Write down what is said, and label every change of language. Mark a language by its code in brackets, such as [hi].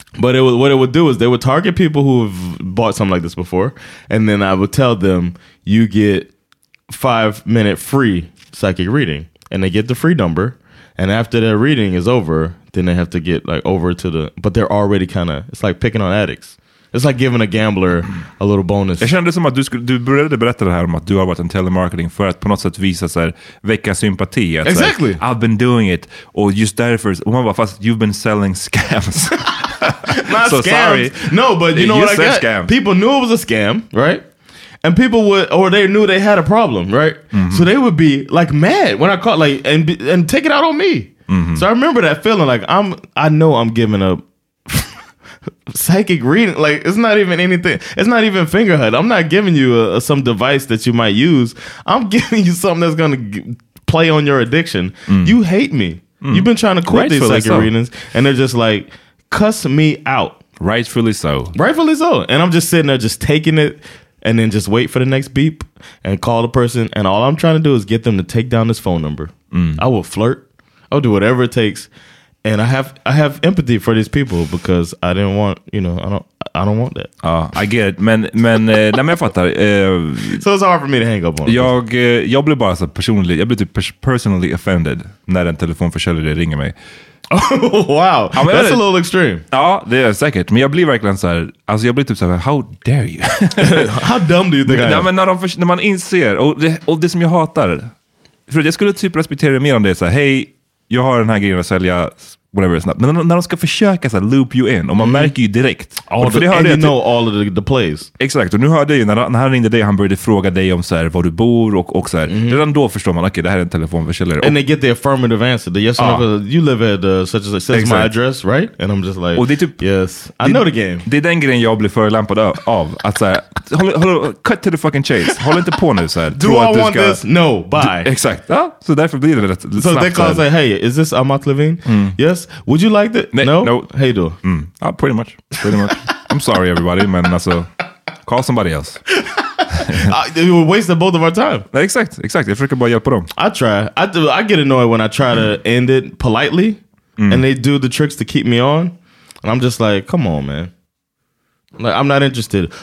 [en] But it was, what it would do is they would target people who have bought something like this before, and then I would tell them, you get 5-minute free psychic reading, and they get the free number, and after their reading is over, then they have to get like over to the... But they're already kind of... It's like picking on addicts. It's like giving a gambler a little bonus. [sv] Jag kände som att du började berätta det här om att du har varit en telemarketing för att på något sätt visa så här, väcka sympati. Att, [en] exactly! [sv] Så här, [en] I've been doing it. [sv] Och just därför... Och man bara, fast [en] you've been selling scams. Not so scams. Sorry. No, but you know you what I got? Scam. People knew it was a scam, right? And people would, or they knew they had a problem, right? Mm-hmm. So they would be like mad when I caught, like, and take it out on me. Mm-hmm. So I remember that feeling, like, I know I'm giving up psychic reading. Like, it's not even anything. It's not even Fingerhut. I'm not giving you some device that you might use. I'm giving you something that's going to play on your addiction. Mm. You hate me. Mm. You've been trying to quit these psychic readings, and they're just like, cuss me out. Rightfully so. Rightfully so. And I'm just sitting there just taking it. And then just wait for the next beep and call the person. And all I'm trying to do is get them to take down this phone number. Mm. I will flirt. I'll do whatever it takes. And I have empathy for these people because I didn't want, you know, I don't want that. I get it. [sv] Men jag fattar. [en] So it's hard for me to hang up on. [sv] Jag blir bara så personligt. Jag blir typ [en] personally offended [sv] när en telefonförsäljare ringer mig. [en] Wow. I mean, that's a little extreme. [sv] Ja, det är säkert. Men jag blir verkligen så här, alltså jag blir typ så här, [en] how dare you? How dumb do you think I am? [sv] Men när man inser, och det som jag hatar, för jag skulle typ respektera det mer om det är så här, hej, jag har den här grejen att sälja, [en] whatever it's not. [sv] Men när de ska försöka så här, [en] loop you in, [sv] och man märker ju direkt. [en] And you know all of the plays. [sv] Exakt, och nu hörde jag ju, när han ringde dig, han började fråga dig om så här, var du bor och så här. Mm-hmm. Redan då förstår man, okej, det här är en telefonförsäljare. [en] And they get the affirmative answer. The yes or no, you live at such as like, says my address, right? And I'm just like, [sv] typ, [en] yes, I know the game. [sv] Det är den grejen jag blir förelämpad av. Att så här, håll, [en] cut to the fucking chase. [sv] Håll inte på nu så här. [en] Do I want this? No, bye. [sv] Exakt, ja, så därför blir det rätt snabbt. [en] So they call say, hey, is this Amat Levine? Mm. Yes. Would you like that? No. Hey, do. Pretty much. I'm sorry, everybody, man. So, call somebody else. You were wasting both of our time. Exactly. If you could buy your prom, I try. I do. I get annoyed when I try to end it politely, and they do the tricks to keep me on, and I'm just like, come on, man. Like, I'm not interested.